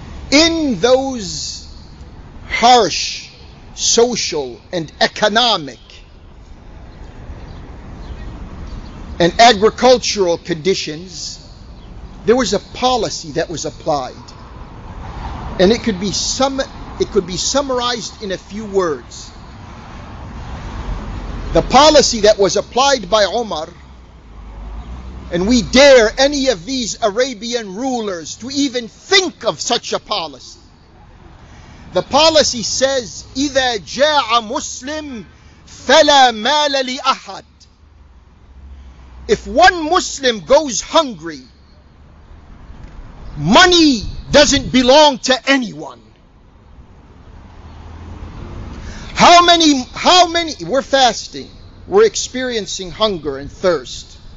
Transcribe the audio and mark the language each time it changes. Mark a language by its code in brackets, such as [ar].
[en] In those harsh social and economic and agricultural conditions, there was a policy that was applied, and it could be summarized in a few words. The policy that was applied by Umar, and we dare any of these Arabian rulers to even think of such a policy. The policy says, [ar] إذا جاء مسلم فلا مال لأحد. [en] If one Muslim goes hungry, money doesn't belong to anyone. How many, we're fasting, we're experiencing hunger and thirst.